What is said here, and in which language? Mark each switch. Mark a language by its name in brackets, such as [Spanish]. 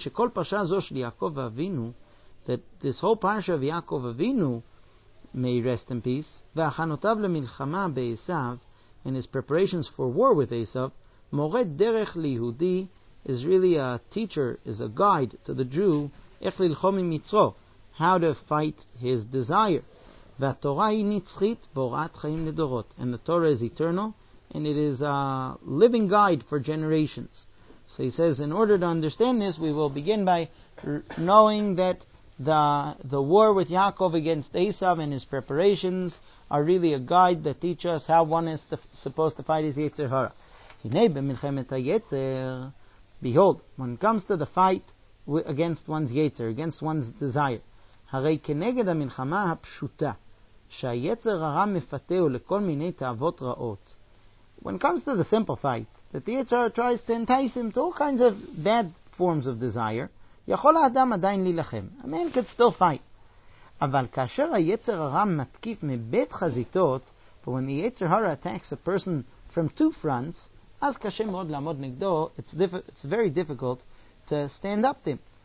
[Hebrew] Shekol parsha zo shel Yaakov Avinu, [English] that this whole parsha of Yaakov Avinu, may rest in peace, [Hebrew] v'achanotav lemilchama be'esav, [English] and his preparations for war with Esav, [Hebrew] moret derech liyehudi, [English] is really a teacher, is a guide to the Jew, [Hebrew] איך ללחום עם יצרו, [English] how to fight his desire. [Hebrew] והתורה היא נצחית והוראת חיים לדורות. [English] And the Torah is eternal, and it is a living guide for generations. So he says, in order to understand this, we will begin by knowing that the war with Yaakov against Esav and his preparations are really a guide that teach us how one is supposed to fight his Yetzer Hara. [Hebrew] הנה במלחמת היצר, [English] behold, when it comes to the fight against one's yetzer, against one's desire, [Hebrew] הרי כנגד המלחמה הפשוטה, שהיצר הרע מפתהו לכל מיני תאוות רעות. [English] When it comes to the simple fight, that the yetzer tries to entice him to all kinds of bad forms of desire, [Hebrew] יכול האדם עדיין להילחם. [English] A man could still fight. [Hebrew] אבל כאשר היצר הרע מתקיף מבית חזיתות, [English] but when the yetzer hara attacks a person from two fronts, [Hebrew] אז קשה מאוד לעמוד נגדו, [English] it's very difficult to stand up to him.